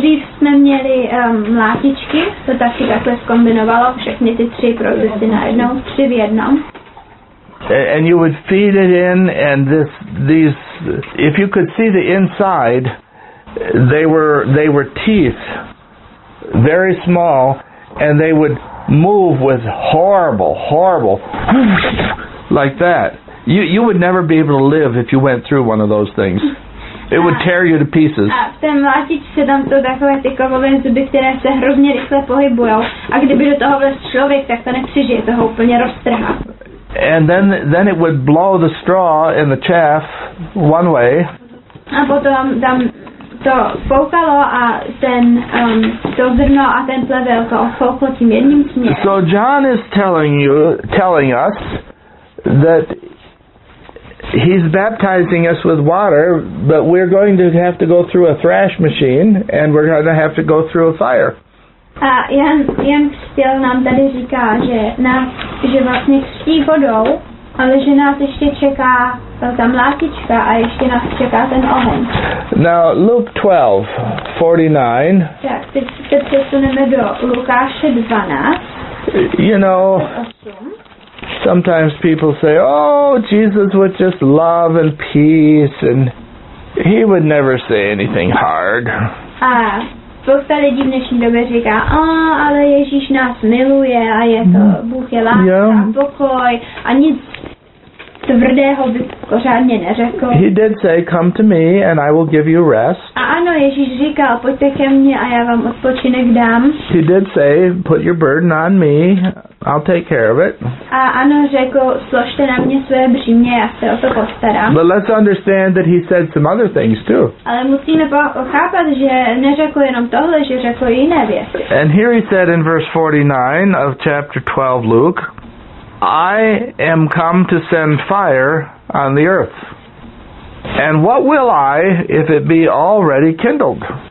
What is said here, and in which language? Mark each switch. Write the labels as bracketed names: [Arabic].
[Czech] Dřív jsme měli mlátičky, to taky takhle zkombinovalo všechny ty tři procesy najednou, tři v jednom. [English] And you would feed it in, and these, if you could see the inside, they were teeth, very small, and they would move with horrible, like that. You would never be able to live if you went through one of those things. It would tear you to pieces. [Czech] A ten mlátič se tam to takové ty kovové zuby, které se hrozně rychle pohybujou. A kdyby do toho vlez člověk, tak to nepřežije, to ho úplně roztrhá. [English] And then it would blow the straw and the chaff one way. [Czech] A potom tam to foukalo a ten to zrno a ten plevel to fouklo tím jedním směrem. [English] So John is telling us that he's baptizing us with water, but we're going to have to go through a thrash machine and we're going to have to go through a fire. [Czech] A Jan Křtěl nám tady říká, že vlastně křtí vodou, ale že nás ještě čeká ta mlátička a ještě nás čeká ten oheň. [English] Now, Luke 12:49. [Czech] Tak, teď se přesuneme do Lukáše 12. [English] You know, sometimes people say, oh, Jesus would just love and peace and he would never say anything hard. [Czech] A spousta lidí v dnešní době říká, ale Ježíš nás miluje a je to, Bůh je láska, yeah, pokoj a nic tvrdého by pořádně neřekl. [English] He did say, come to me and I will give you rest. [Czech] A ano, Ježíš říkal, pojďte ke mně a já vám odpočinek dám. [English] He did say, put your burden on me, I'll take care of it. [Czech] A ano, řekl, složte na mě své břímě, já se o to postarám. [English] But let's understand that he said some other things too. [Czech] Ale musíme pochápat, že neřekl jenom tohle, že řekl jiné věci. [English] And here he said in verse 49 of chapter 12 Luke, I am come to send fire on the earth. And what will I if it be already kindled?